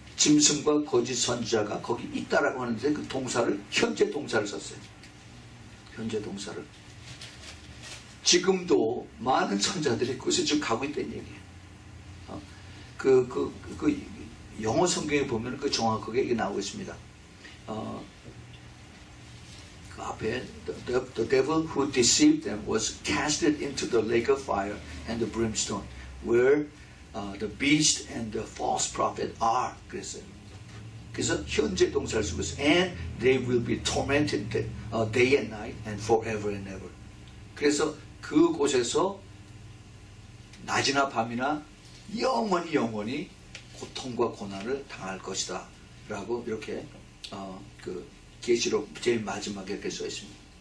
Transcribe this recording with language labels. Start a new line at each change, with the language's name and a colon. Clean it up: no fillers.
Korean: 짐승과 거짓 선지자가 거기 있다라고 하는데 그 동사를 현재 동사를 썼어요. 현재 동사를. 지금도 많은 선자들이 그곳에 지금 가고 있다는 얘기예요. 영어 성경에 보면 그 정확하게 이게 나오고 있습니다. 그 앞에
English: the devil who deceived them was casted into the lake of fire and the brimstone where the beast and the false prophet are.
Korean: 그래서 현재 동사를 쓰고 있어요.
English: And they will be tormented day and night and forever and ever.
Korean: 그래서 그곳에서 낮이나 밤이나 영원히 영원히 고통과 고난을 당할 것이다 라고 이렇게 그 계시록 제일 마지막에 이렇게 써 있습니다.